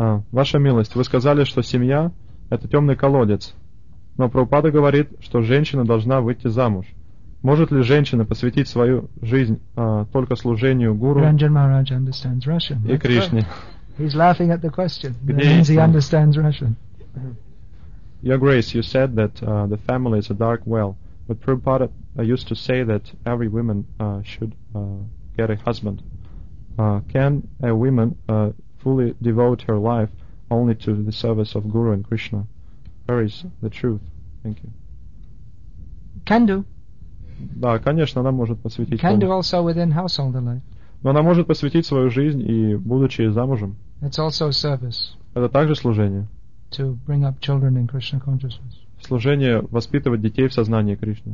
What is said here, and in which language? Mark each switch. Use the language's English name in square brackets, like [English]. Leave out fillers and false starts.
[Russian] Ваша милость, вы сказали, что семья — это темный колодец. Но Прабхупада говорит, что женщина должна выйти замуж. Может ли женщина посвятить свою жизнь только служению Гуру [English] Ranjan Maharaj understands Russian. [Russian] И Кришне? [English] He's laughing at the question. That means he understands Russian. Your Grace, you said that the family is a dark well. But Prabhupada used to say that every woman should get a husband. Can a woman fully devote her life only to the service of Guru and Krishna? Where is the truth? Thank you. Can do. [Russian] Да, конечно, она может посвятить. [English] Can do also within household life. [Russian] Но она может посвятить свою жизнь и будучи замужем. [English] It's also service. [Russian] Это также служение. [English] To bring up children in Krishna consciousness. [Russian] Служение воспитывать детей в сознании Кришны.